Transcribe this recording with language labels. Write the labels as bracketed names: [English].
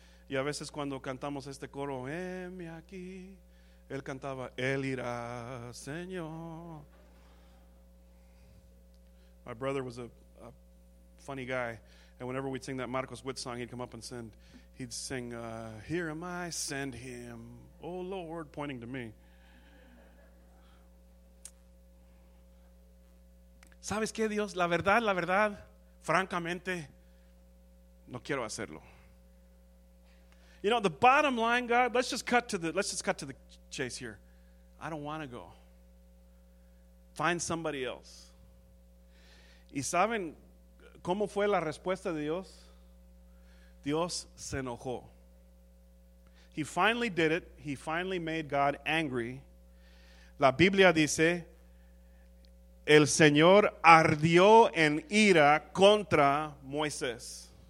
[Spanish] Y a veces cuando cantamos este coro, heme aquí, él cantaba, él irá, Señor. [English] My brother was a funny guy. And whenever we'd sing that Marcos Witt song, he'd come up and send. He'd sing, here am I, send him, oh Lord, pointing to me. [Spanish] ¿Sabes qué, Dios? La verdad, francamente, no quiero hacerlo. [English] You know, the bottom line, God, let's just cut to the chase here. I don't want to go. Find somebody else. [Spanish] ¿Y saben cómo fue la respuesta de Dios? Dios se enojó. [English] He finally did it. He finally made God angry. [Spanish] La Biblia dice, el Señor ardió en ira contra Moisés.